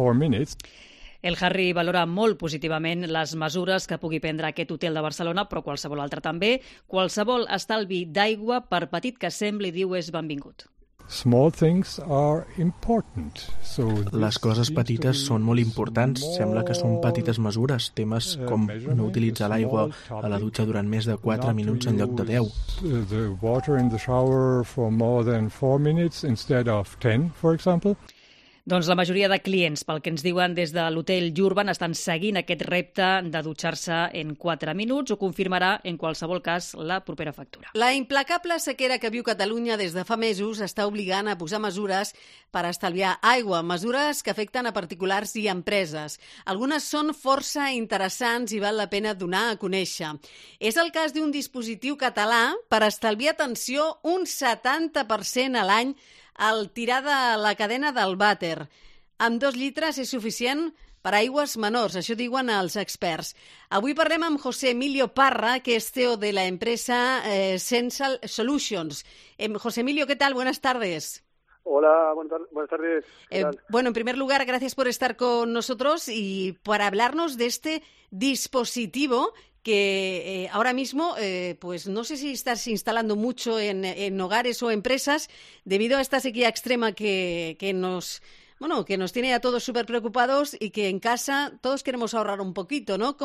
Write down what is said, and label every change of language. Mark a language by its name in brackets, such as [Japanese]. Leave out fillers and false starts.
[Catalan] El Harry valora molt positivament les mesures que pugui prendre aquest hotel de Barcelona, però qualsevol altre també. Qualsevol estalvi d'aigua, per petit que sembli, diu, és benvingut. [English] Small things are important. So [Catalan] les coses petites són molt importants. Sembla que són petites mesures, temes com no utilitzar l'aigua a la dutxa durant més de 4 minuts en lloc de 10. [English] The water in the shower for more than 4 minutes instead of 10, for example. [Catalan] Doncs la majoria de clients, pel que ens diuen des de l'hotel Urban, estan seguint aquest repte de dutxar-se en 4 minuts. Ho confirmarà, en qualsevol cas, la propera factura. La implacable sequera que viu Catalunya des de fa mesos està obligant a posar mesures per estalviar aigua, mesures que afecten a particulars i empreses. Algunes són força interessants i val la pena donar a conèixer. És el cas d'un dispositiu català per estalviar atenció un 70% a l'any el tirar de la cadena del vàter. Amb 2 litres és suficient per a aigües menors, això diuen els experts. Avui parlem amb José Emilio Parra, que és CEO de la empresa Sensal Solutions. José Emilio, què tal? [Spanish] Buenas tardes. Hola, buenas tardes. Bueno, en primer lugar, gracias por estar con nosotros y por hablarnos de este dispositivo que ahora mismo, pues no sé si estás instalando mucho en hogares o empresas debido a esta sequía extrema que nos tiene a todos súper preocupados y que en casa todos queremos ahorrar un poquito, ¿no?